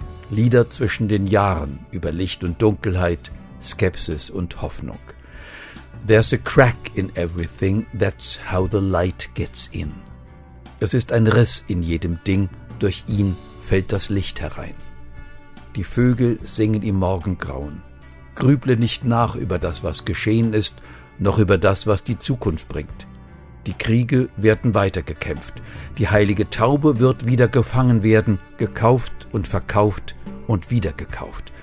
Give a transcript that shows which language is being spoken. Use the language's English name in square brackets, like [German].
[German] Lieder zwischen den Jahren über Licht und Dunkelheit, Skepsis und Hoffnung. [English] There's a crack in everything, that's how the light gets in. [German] Es ist ein Riss in jedem Ding, durch ihn fällt das Licht herein. Die Vögel singen im Morgengrauen. Grüble nicht nach über das, was geschehen ist, noch über das, was die Zukunft bringt. Die Kriege werden weitergekämpft. Die heilige Taube wird wieder gefangen werden, gekauft und verkauft und wieder gekauft.